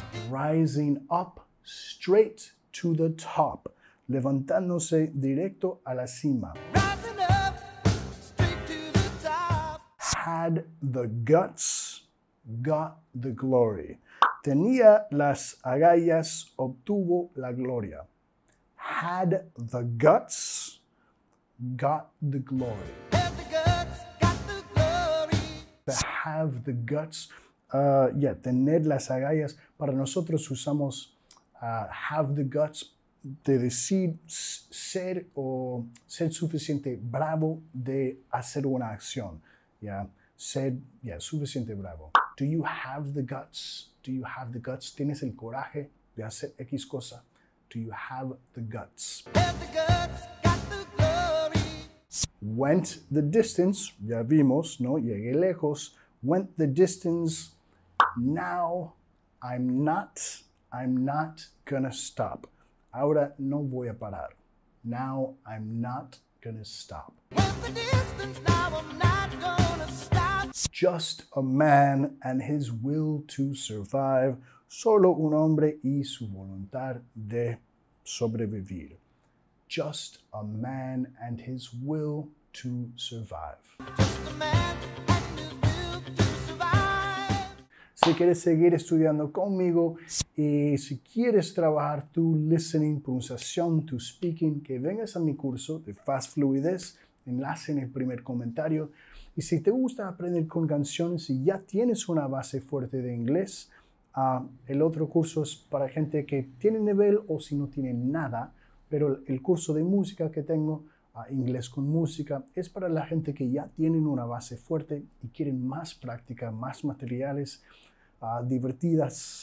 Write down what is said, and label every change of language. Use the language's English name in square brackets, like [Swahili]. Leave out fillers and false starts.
[English] Rising up straight to the top. [Spanish] Levantándose directo a la cima. [English] Rising up straight to the top. Had the guts got the glory. [Spanish] Tenía las agallas, obtuvo la gloria. [English] Had the guts, got the glory. Had the guts, got the glory. To have the guts, [Spanish] tener las agallas. Para nosotros usamos [English] have the guts, [Spanish] de decir ser o ser suficiente bravo de hacer una acción. [English] Yeah, [Spanish] ser, [English] yeah, [Spanish] suficiente bravo. [English] Do you have the guts? Do you have the guts? [Spanish] ¿Tienes el coraje de hacer X cosa? [English] Do you have the guts? Have the guts, got the glory. Went the distance, [Spanish] ya vimos, ¿no? Llegué lejos. [English] Went the distance. Now I'm not gonna stop. [Spanish] Ahora no voy a parar. [English] Now I'm not gonna stop. Went the distance, now I'm not gonna stop. Just a man and his will to survive. [Spanish] Solo un hombre y su voluntad de sobrevivir. [English] Just a man and his will to survive. Just a man and his will to survive. [Spanish] Si quieres seguir estudiando conmigo y si quieres trabajar tu listening, pronunciación, tu speaking, que vengas a mi curso de Fast Fluidez. Enlace en el primer comentario. Y si te gusta aprender con canciones y ya tienes una base fuerte de inglés, el otro curso es para gente que tiene nivel o si no tiene nada, pero el curso de música que tengo, inglés con música, es para la gente que ya tienen una base fuerte y quieren más práctica, más materiales divertidas.